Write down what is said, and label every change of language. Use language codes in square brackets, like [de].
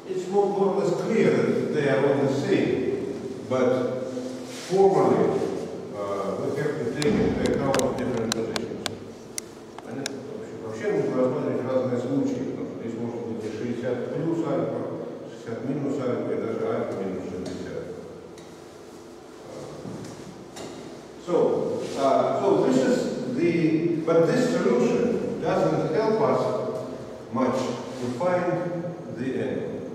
[en] More or less clear that they are all the same, but formally we have to take into account of different positions. [ru] Вообще нужно рассмотреть разные случаи, потому что здесь может быть и 60 плюс альфа, 60 минус альфа, и даже альфа минус 60. [en] So this is the, but this solution doesn't help us much to find the end.